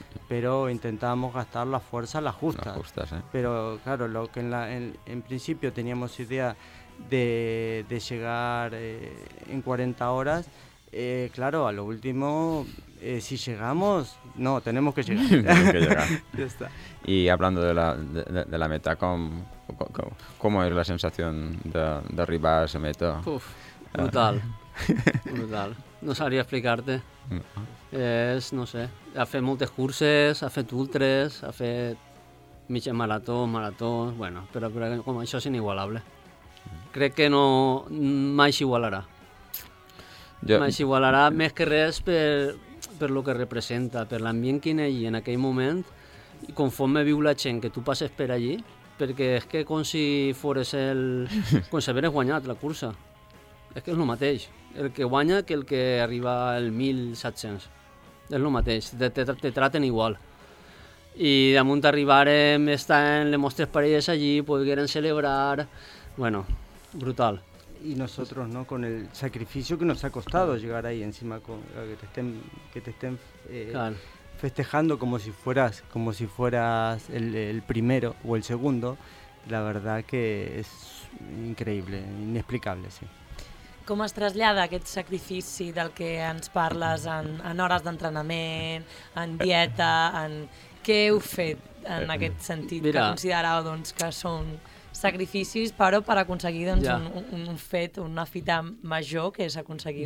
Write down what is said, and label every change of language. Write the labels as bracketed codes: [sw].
[es] Pero intentábamos gastar la fuerza, las justas. Pero claro, lo que en principio teníamos idea de llegar en 40 horas, claro, a lo último Si llegamos, no, tenemos que llegar. Tenemos que llegar. Ya está. Y hablando de la meta, ¿cómo es la sensación de arribar a esa meta? Uf, brutal. Brutal. No sabría explicarte. [ca] Es, no sé, ha fet moltes curses, ha fet ultres, ha fet mitja marató, marató, bueno, però com això és inigualable. Crec que no, mai s'igualarà. Mai s'igualarà, més que res per lo que representa, per l'ambient que hi ha allí en aquell moment, conforme viu la gent que tu passes per allí, perquè és que com si fores el... com si haveres guanyat la cursa. És que és el mateix, el que guanya que el que arriba al 1700. És el mateix, te traten igual. I damunt arribarem, estan les mostres parelles allí, podrien celebrar... [es] Bueno, brutal. Y nosotros, ¿no? Con el sacrificio que nos ha costado llegar ahí encima, que te estén claro, festejando como si fueras el primero o el segundo, la verdad que es increíble, inexplicable, sí. [ca] Com es trasllada aquest sacrifici del que ens parles en hores d'entrenament, en dieta, en què heu fet en aquest sentit? Mira, que considerau doncs, que són sacrificis, però per aconseguir doncs, ja, un fet, una fita major, que és aconseguir